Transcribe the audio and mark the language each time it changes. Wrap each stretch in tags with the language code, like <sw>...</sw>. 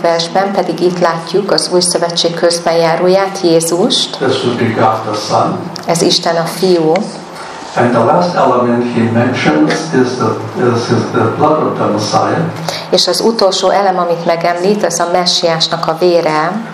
<hu>versben pedig itt látjuk az új szövetség közbenjáróját, Jézust.</hu> <en>This would be God the Son.</en> <hu>Ez Isten a Fiú.</hu> <en>And the last element he mentions is the blood of the Messiah.</en> <hu>És az utolsó elem, amit megemlít, az a Messiásnak a vére.</hu>